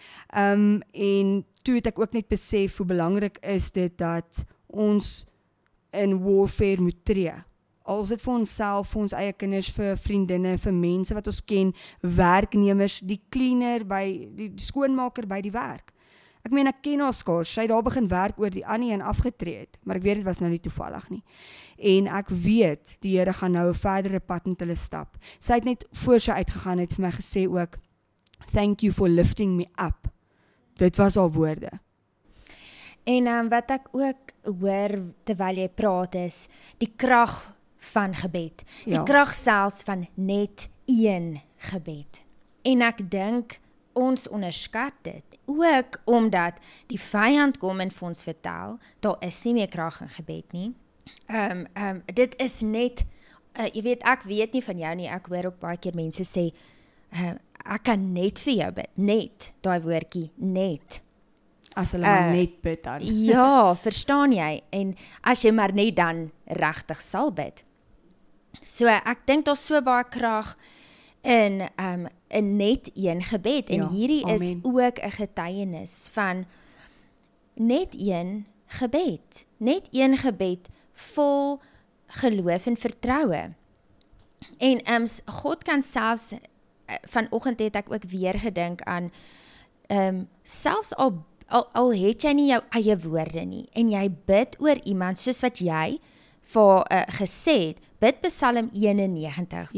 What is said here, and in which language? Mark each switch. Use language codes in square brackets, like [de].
[af] En toe het ek ook net besef hoe belangrik is dit dat ons in warfare moet tree. Als dit vir onsself, vir ons eie kinders, vir vriendinne, vir mense wat ons ken, werknemers, die cleaner, by, die skoonmaker by die werk. Ek meen, ek ken haar skaars, sy het daar begin werk oor die Annie en afgetreed, maar ek weet, het was nou nie toevallig nie. En ek weet, die Here gaan nou een verdere pad met hulle stap. Sy het net voor sy uitgegaan, het vir my gesê ook, [en] thank you for lifting me up. [af] Dit was al woorde. En wat ek ook hoor, terwyl jy praat, is die krag van gebed. Die ja. Krag selfs van net een gebed. En ek dink, ons onderskat dit, ook omdat die vyand kom en vir ons vertel, daar is nie meer krag in gebed nie. Dit is net, jy weet, ek weet nie van jou nie, ek hoor ook baie keer mense sê, ek kan net vir jou bid, net, daai woordjie, net. As hulle maar net bid dan. Ja, verstaan jy, en as jy maar net dan regtig sal bid. So, ek dink daar so baie krag in een net een gebed, en ja, hierdie amen. Is ook een getuienis van net een gebed vol geloof en vertrouwe. En God kan selfs, vanochtend het ek ook weer gedink aan, selfs al het jy nie jou eie woorde nie, en jy bid oor iemand soos wat jy vir gesê het, bid Psalm 91.